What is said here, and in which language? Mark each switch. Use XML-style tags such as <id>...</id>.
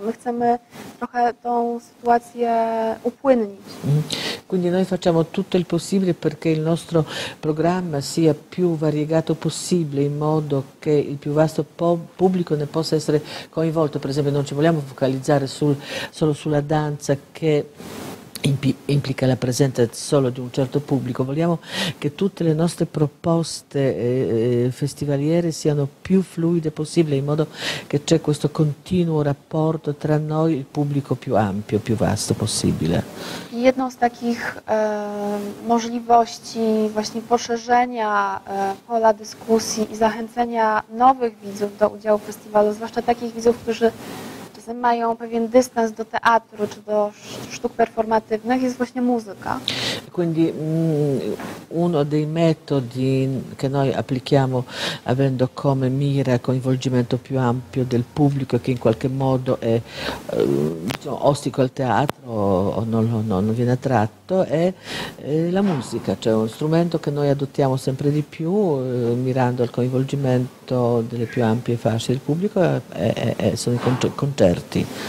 <pl>My chcemy trochę tą sytuację upłynnić.</pl> <it>Quindi noi facciamo tutto il possibile perché il nostro programma sia più variegato possibile in modo che il più vasto pubblico ne possa essere coinvolto. Per esempio, non ci vogliamo focalizzare solo sulla danza che implica la presenza solo di un certo pubblico, vogliamo che tutte le nostre proposte festivaliere siano più fluide possibile in modo che c'è questo continuo rapporto tra noi e il pubblico più ampio, più vasto possibile.</it> <pl>Jedną z takich możliwości właśnie poszerzenia pola dyskusji i zachęcenia nowych widzów do udziału w festiwalu, zwłaszcza takich widzów, którzy mają pewien dystans do teatru czy do sztuk performatywnych, jest właśnie muzyka.</pl> <it>Quindi uno dei metodi che noi applichiamo avendo come mira coinvolgimento più ampio del pubblico che in qualche modo è ostico al teatro o non viene attratto è la musica, cioè uno strumento che noi adottiamo sempre di più mirando al coinvolgimento delle più ampie fasce del pubblico sono i concerti.</it>